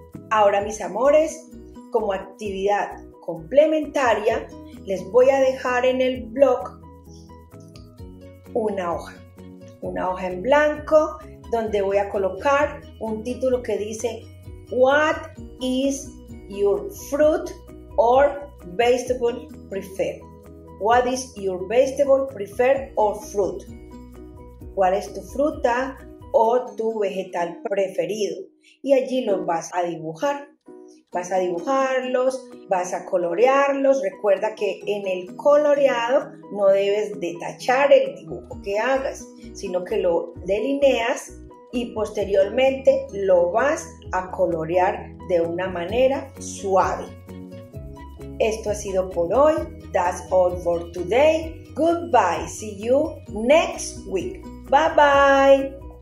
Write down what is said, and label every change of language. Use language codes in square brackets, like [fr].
[es] Ahora, mis amores, como actividad complementaria, les voy a dejar en el blog una hoja en blanco donde voy a colocar un título que dice [en] What is your fruit or vegetable preferred? What is your vegetable preferred or fruit? [es] ¿Cuál es tu fruta o tu vegetal preferido? Y allí los vas a dibujar. Vas a dibujarlos, vas a colorearlos. Recuerda que en el coloreado no debes de tachar el dibujo que hagas, sino que lo delineas y posteriormente lo vas a colorear de una manera suave. Esto ha sido por hoy. [en] That's all for today. Goodbye. See you next week. Bye bye.